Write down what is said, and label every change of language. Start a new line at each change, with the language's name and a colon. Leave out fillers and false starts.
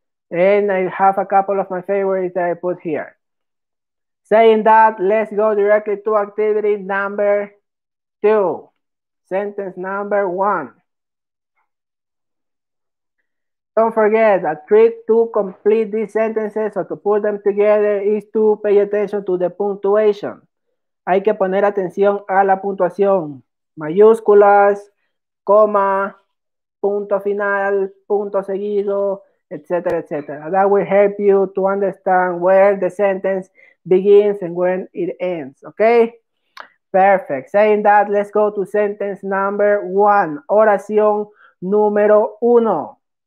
English: And I have a couple of my favorites that I put here. Saying that, let's go directly to activity number two. Sentence number one. Don't forget, a trick to complete these sentences or to put them together is to pay attention to the punctuation.
Spanish: Hay que poner atención a la puntuación. Mayúsculas, coma, punto final, punto seguido, etcétera, etcétera.
English: That will help you to understand where the sentence begins and when it ends. Okay? Perfect. Saying that, let's go to sentence number one.
Spanish: Oración número uno.